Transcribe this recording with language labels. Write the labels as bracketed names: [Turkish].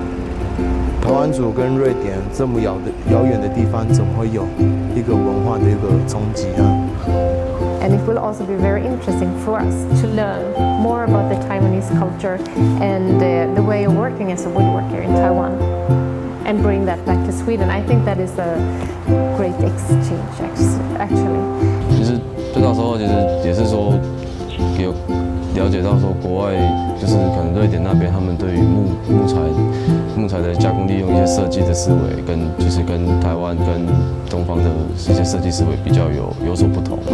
[Chinese] 是一个比较好的文化交流，就是因为不一样的民族，虽然在台湾里面，我跟同学可能也是台湾人，可是台湾族跟瑞典这么遥远的地方，怎么会有一个文化的一个冲击呢？ [English] And it will also be very interesting for us to learn more about the Taiwanese culture and the way of working as a woodworker in Taiwan and bring that back to Sweden. I think that is a great exchange, actually. [Chinese] 其实就那时候其实也是说有了解到说国外就是可能瑞典那边他们对于 木材的加工利用一些设计的思维跟就是跟台湾跟东方的一些设计思维比较有所不同。